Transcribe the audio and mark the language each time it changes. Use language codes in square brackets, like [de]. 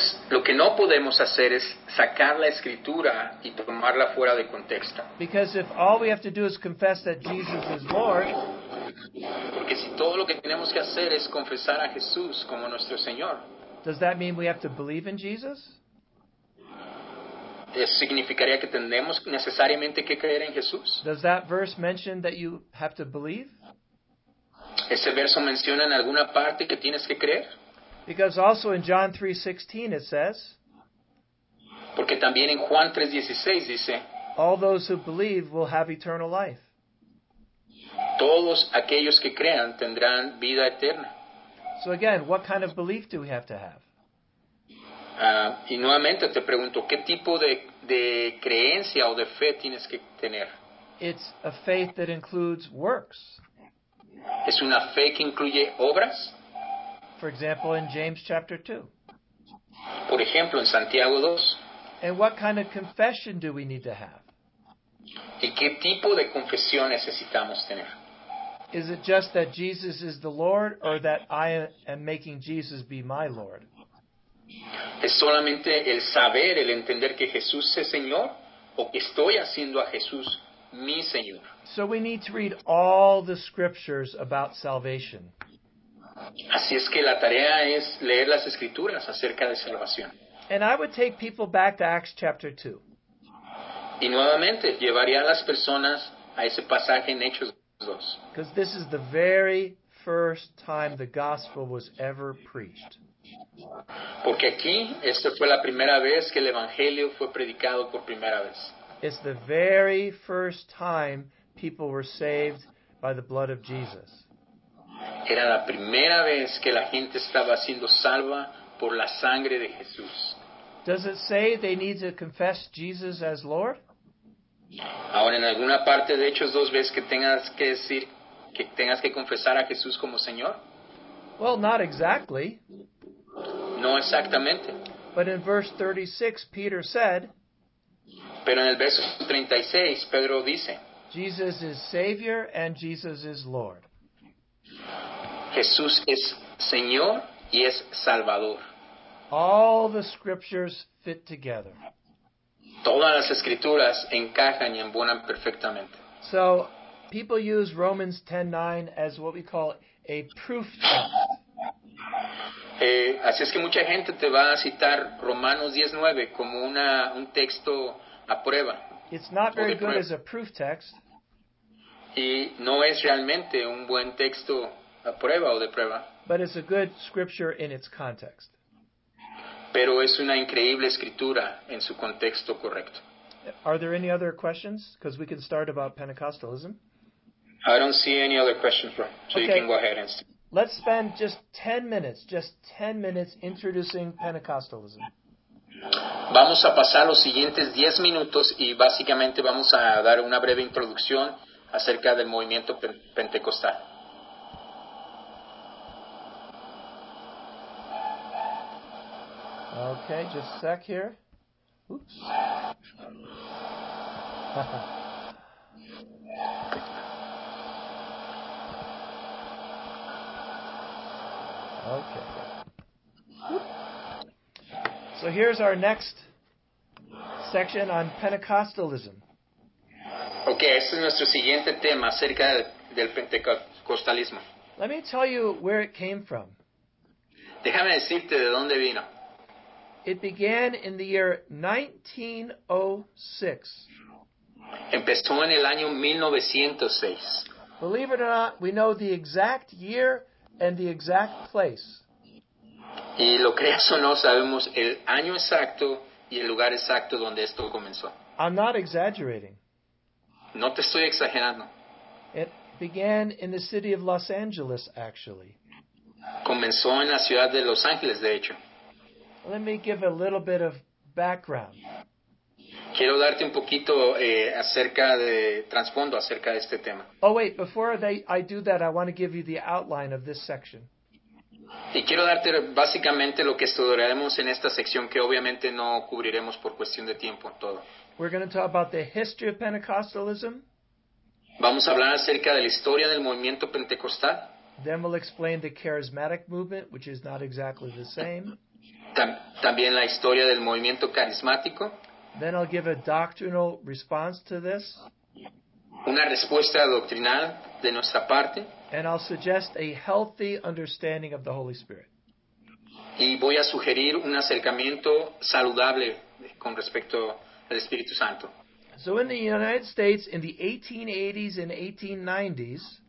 [es] lo que no podemos hacer es sacar la escritura y tomarla fuera de contexto. [en] Because if all we have to do is confess that Jesus is Lord, [es] porque si todo lo que tenemos que hacer es confesar a Jesús como nuestro Señor, [en] does that mean we have to believe in Jesus? [es] ¿Significaría que tenemos necesariamente que creer en Jesús? [en] Does that verse mention that you have to believe? [es] ¿Ese verso menciona en alguna parte que tienes que creer? [en] Because also in John 3:16 it says, [es] porque también en Juan 3:16 dice, [en] all those who believe will have eternal life. [es] Todos aquellos que crean tendrán vida eterna. [en] So again, what kind of belief do we have to have? [es] Y nuevamente te pregunto, ¿qué tipo de creencia o de fe tienes que tener? [en] It's a faith that includes works. [es] ¿Es una fe que incluye obras? [en] For example, in James chapter 2. [es] Por ejemplo, en Santiago 2. [en] And what kind of confession do we need to have? [es] ¿Y qué tipo de confesión necesitamos tener? [en] Is it just that Jesus is the Lord, or that I am making Jesus be my Lord? [es] ¿Es solamente el saber, el entender que Jesús es Señor, o que estoy haciendo a Jesús mi Señor? [en] So we need to read all the scriptures about salvation. [es] Así es que la tarea es leer las escrituras acerca de salvación. [en] And I would take people back to Acts chapter 2. [es] Y nuevamente llevaría a las personas a ese pasaje en Hechos 2. [en] Because this is the very first time the gospel was ever preached. [es] Porque aquí, esta fue la primera vez que el Evangelio fue predicado por primera vez. [en] It's the very first time people were saved by the blood of Jesus. [es] Era la primera vez que la gente estaba siendo salva por la sangre de Jesús. [en] Does it say they need to confess Jesus as Lord? [es] Ahora, en alguna parte de Hechos 2 ves que tengas que decir, que tengas que confesar a Jesús como Señor? [en] Well, not exactly. [es] No exactamente. [en] But in verse 36, Peter said, [es] pero en el verso 36, Pedro dice, [en] Jesus is Savior and Jesus is Lord. [es] Jesús es Señor y es Salvador. [en] All the scriptures fit together. [es] Todas las escrituras encajan y embonan perfectamente. [en] So, people use Romans 10:9 as what we call a proof text. [es] Así es que mucha gente te va a citar Romanos 10:9 como un texto a prueba. [en] It's not very good as a proof text. [es] Y no es realmente un buen texto a prueba o de prueba. [en] But it's a good scripture in its context. [es] Pero es una increíble escritura en su contexto correcto. [en] Are there any other questions? Because we can start about Pentecostalism. I don't see any other questions, bro. So okay. You can go ahead and see. Let's spend just 10 minutes introducing Pentecostalism. [es] Vamos a pasar los siguientes 10 minutos y básicamente vamos a dar una breve introducción acerca del movimiento pentecostal. [en] Okay, just a sec here. Oops. Okay. So here's our next section on Pentecostalism. [es] Okay, este es nuestro siguiente tema acerca del pentecostalismo. [en] Let me tell you where it came from. [es] Déjame decirte de dónde vino. [en] It began in the year 1906. [es] Empezó en el año 1906. [en] Believe it or not, we know the exact year and the exact place. [es] Y lo creas o no, sabemos el año exacto y el lugar exacto donde esto comenzó. [en] I'm not exaggerating. [es] No te estoy exagerando. [en] It began in the city of Los Angeles, actually. [es] Comenzó en la ciudad de Los Ángeles, de hecho. [en] Let me give a little bit of background. [es] Quiero darte un poquito acerca de trasfondo acerca de este tema. [en] Oh wait, before I do that, I want to give you the outline of this section. [es] Y quiero darte básicamente lo que estudiaremos en esta sección, que obviamente no cubriremos por cuestión de tiempo todo. [en] We're going to talk about the history of Pentecostalism. [es] Vamos a hablar acerca de la historia del movimiento pentecostal. [en] Then we'll explain the charismatic movement, which is not exactly the same. [es] también la historia del movimiento carismático. [en] Then I'll give a doctrinal response to this. [es] Una respuesta doctrinal de nuestra parte. [en] And I'll suggest a healthy understanding of the Holy Spirit. [es] Y voy a sugerir un acercamiento saludable con respecto al Espíritu Santo. [en] So in the United States in the 1880s and 1890s.